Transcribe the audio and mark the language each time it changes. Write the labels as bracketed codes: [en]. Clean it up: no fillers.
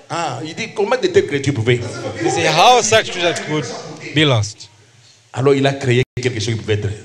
[fr] Ah, il dit comment de telles créatures pouvaient. [en] You see how such creatures could be lost. [fr] Alors il a créé quelque chose qui pouvait être.